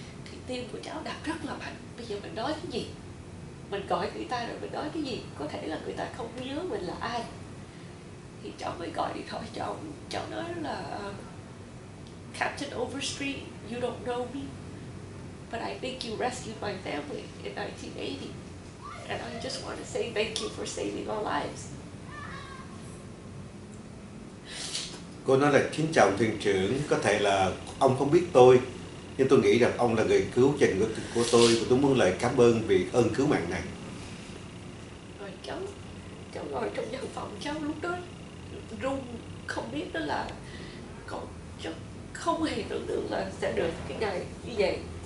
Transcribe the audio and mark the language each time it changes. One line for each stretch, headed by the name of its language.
Vietnamese: Thì tim của cháu đập rất là mạnh, bây giờ mình nói cái gì, mình gọi người ta rồi mình nói cái gì, có thể là người ta không nhớ mình là ai. Thì cháu mới gọi điện thoại cho ông, cháu nói là
English: Captain Overstreet, you don't know me. But I think you rescued my family in 1980. And I just want to say thank you for saving our lives.
Vietnamese: Cô nói là kính chào thuyền trưởng, có thể là ông không biết tôi, nhưng tôi nghĩ rằng ông là người cứu trần ngực của tôi, và tôi muốn lời cảm ơn vì ơn cứu mạng này. Rồi cháu ngồi trong văn phòng cháu lúc đó run, không biết đó là cháu không hề tưởng tượng là sẽ được cái ngày như vậy.